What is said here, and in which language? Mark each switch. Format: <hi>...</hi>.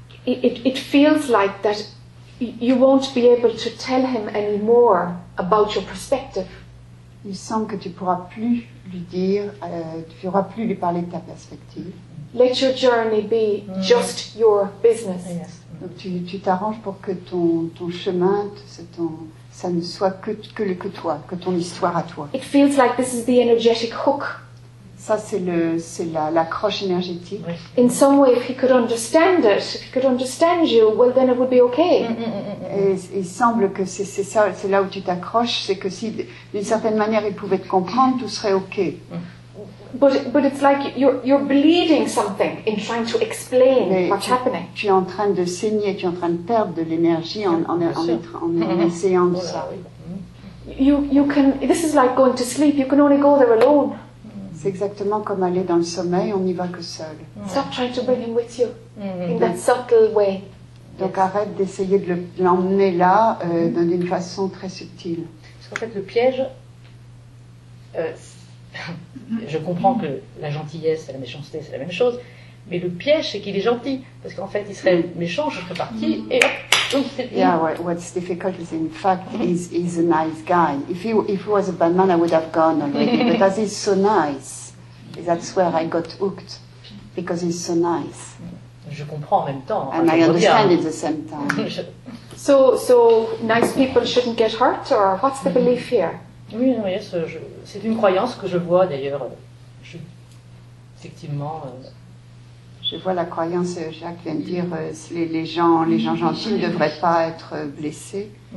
<en>It feels like that you won't be able to tell him any more about your perspective.</en> <fr>Il semble que tu pourras plus lui dire, tu pourras plus lui parler de ta perspective.</fr> <en>Let your journey be just your business. Yes.</en> <fr>Donc tu t'arranges pour que ton chemin, ça ne soit que toi, que ton histoire à toi.</fr> <en>It feels like this is the energetic hook.</en> <fr>Ça c'est la croche énergétique.</fr> <en>In some way, if he could understand it, if he could understand you, well then it would be okay.</en> <fr>Il semble que c'est ça, c'est là où tu t'accroches, c'est que si d'une certaine manière il pouvait te comprendre, tout serait okay.</fr> <en>But it's like you're bleeding something in trying to explain what's happening.</en> <fr>Tu es en train de saigner, tu es en train de perdre de l'énergie en essayant de ça.</fr> <en>You can. This is like going to sleep. You can only go there alone.</en> <fr>C'est exactement comme aller dans le sommeil, on n'y va que seul.</fr> <en>Stop trying to bring him with you in that subtle way.</en> <fr>Donc arrête d'essayer de l'emmener là d'une façon très subtile. Parce qu'en fait, le piège, je comprends que la gentillesse et la méchanceté, c'est la même chose, Mais le piège, c'est qu'il est gentil, parce qu'en fait, il serait méchant, je serais parti et hop.</fr> <en>Yeah, what's difficult is in fact he's a nice guy. If he was a bad man, I would have gone already. But as he's so nice, that's where I got hooked, because he's so nice.</en> <fr>Je comprends en même temps.</fr> <en>And I understand at the same time. So nice people shouldn't get hurt, or what's the belief here?</en> <fr>Oui, oui, c'est une croyance que je vois d'ailleurs. Effectivement, je vois la croyance, Jacques vient de dire, les gens gentils ne devraient pas être blessés.</fr>